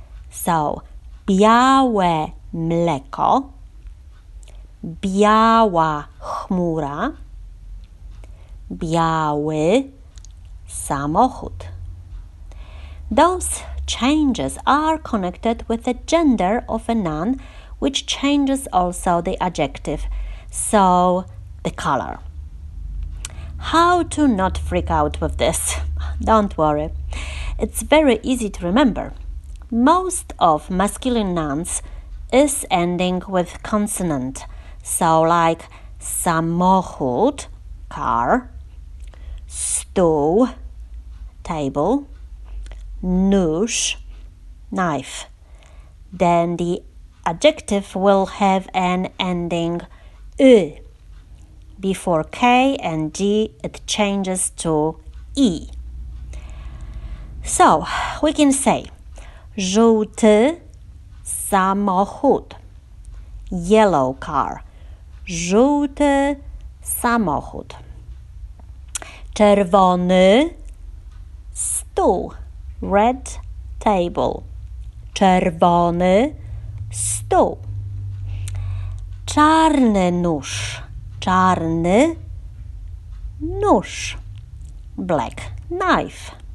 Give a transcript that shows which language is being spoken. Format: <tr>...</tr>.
<pl>So, białe mleko, biała chmura, biały samochód.</pl> <en>Those changes are connected with the gender of a noun, which changes also the adjective, so the color. How to not freak out with this? Don't worry. It's very easy to remember. Most of masculine nouns is ending with consonant. So like samochód, car, stół, table, nóż, knife. Then the adjective will have an ending ü. Before K and G, it changes to E. So, we can say</en> <pl>żółty samochód,</pl> <en>yellow car, żółty samochód,</en> <pl>czerwony stół,</pl> <en>red table, czerwony stół,</en> <pl>czarny nóż,</pl> <en>black knife.</en>